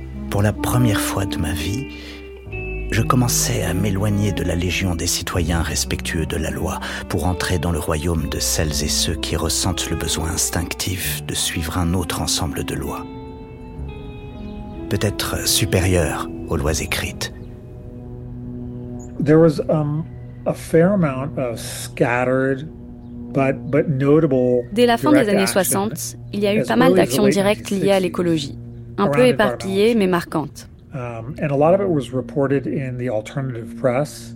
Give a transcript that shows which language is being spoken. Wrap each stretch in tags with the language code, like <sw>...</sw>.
<fr>Pour la première fois de ma vie, je commençais à m'éloigner de la légion des citoyens respectueux de la loi pour entrer dans le royaume de celles et ceux qui ressentent le besoin instinctif de suivre un autre ensemble de lois. Peut-être supérieure aux lois écrites.</fr> <en>There was a fair amount of scattered but notable.</en> <fr>Dès la fin des années 60, il y a eu pas mal d'actions directes liées à l'écologie, un peu éparpillées mais marquantes.</fr> <en>And a lot of it was reported in the alternative press.</en>